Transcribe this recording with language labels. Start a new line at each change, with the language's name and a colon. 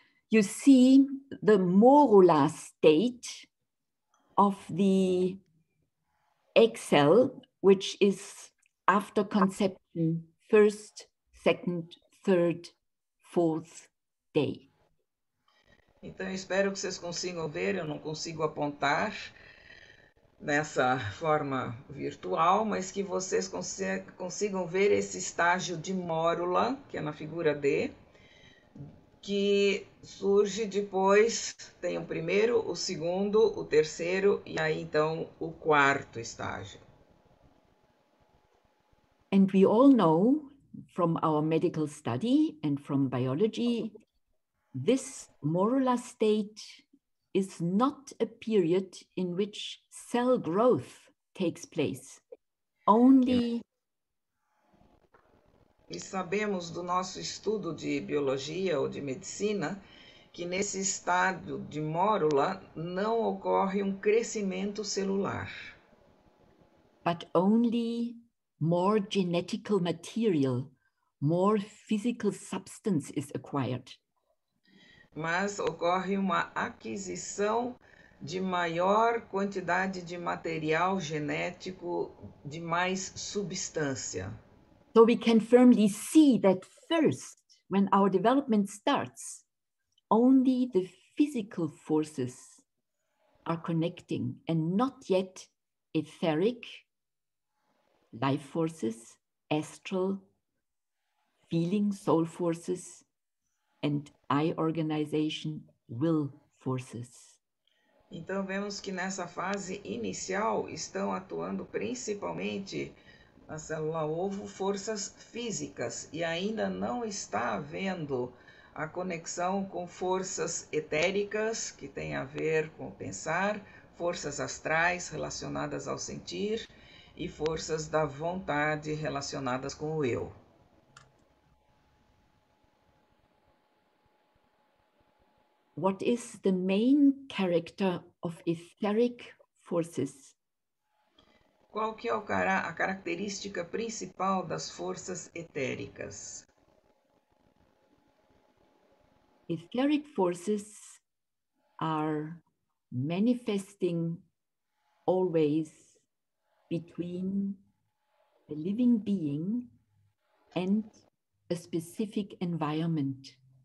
English: You see the morula state of the egg cell, which is after conception, first, second, third, fourth day.
Portuguese: Então, eu espero que vocês consigam ver. Eu não consigo apontar nessa forma virtual, mas que vocês consigam ver esse estágio de mórula, que é na figura D, que surge depois. Tem o primeiro, o segundo, o terceiro e aí então o quarto estágio.
English: And we all know from our medical study and from biology, this morula state is not a period in which cell growth takes place. Only.
Portuguese: E sabemos do nosso estudo de biologia ou de medicina que nesse estado de mórula não ocorre um crescimento celular.
English: But only. More genetical material, more physical substance is acquired.
Portuguese: Mas ocorre uma aquisição de maior quantidade de material genético, de mais substância.
English: So we can firmly see that first, when our development starts, only the physical forces are connecting and not yet etheric. Life forces, astral, feeling, soul forces, and eye organization, will forces.
Portuguese: Então, vemos que nessa fase inicial estão atuando principalmente na célula ovo forças físicas e ainda não está havendo a conexão com forças etéricas, que tem a ver com o pensar, forças astrais relacionadas ao sentir e forças da vontade relacionadas com o eu.
English: What is the main character of etheric forces?
Portuguese: Qual que é a característica principal das forças etéricas?
English: Etheric forces are manifesting always between a living being and a specific environment.